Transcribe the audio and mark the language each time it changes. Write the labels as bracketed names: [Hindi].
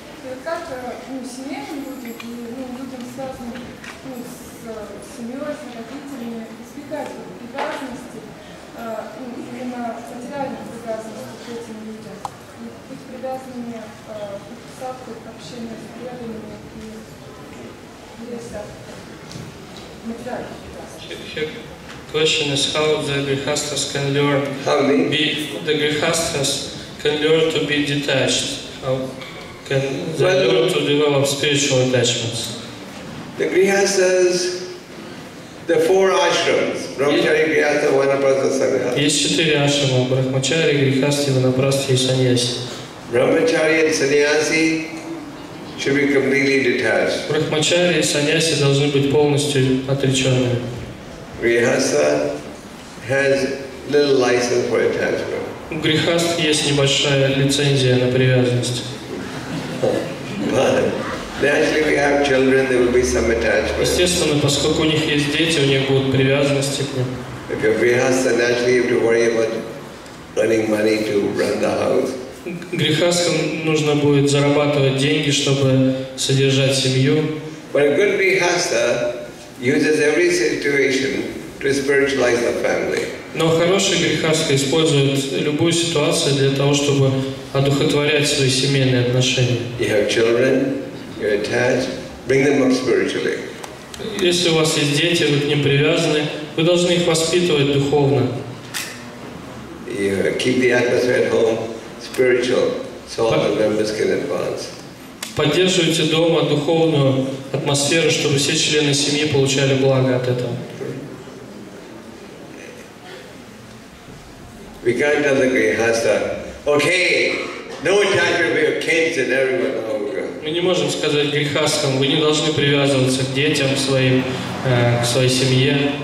[Russian] И вот как семейным людям и людям, связанным с семьей, с родителями, избегать привязанности именно материальных привязанности к этим людям. Быть привязанными к садку, к общению с преданными и [English] Question is how the grihasthas can learn to be detached. How can they learn to develop spiritual attachments? The grihasthas, the four ashrams, Brahmachari, Grihastha, Vanaprastha, Sannyasa. [Russian] Есть четыре ашрама: Брахмачари, Грихасти, Ванапрасти и Саньяси. [English] Brahmachari and Sannyasi should be completely detached. [Russian] Брахмачари и Саньяси должны быть полностью отречены. [English] Grihastha has little license for attachment. [Russian] У грихаст есть небольшая лицензия на привязанность. [English] Naturally, if you have children, there will be some attachment. [Russian] Естественно, поскольку у них есть дети, у них будут привязанности к ним. [English] If you're grihastha, naturally you have to worry about earning money to run the house. [Russian] Грихастам нужно будет зарабатывать деньги, чтобы содержать семью. [English] But a good grihastha uses every situation to spiritualize the family. [Russian] Но хороший грихастха использует любую ситуацию для того, чтобы одухотворять свои семейные отношения. [English] You have children, you're attached, bring them up spiritually. [Russian] Если у вас есть дети, вы к ним привязаны, вы должны их воспитывать духовно. [English] You keep the atmosphere at home spiritual, so all the members can advance. [Russian] Поддерживайте дома духовную атмосферу, чтобы все члены семьи получали благо от этого. [English] We can't tell the grihastha, okay, no attachment for your kids and everyone. [Russian] Мы не можем сказать грихастхам, вы не должны привязываться к детям своим, к своей семье.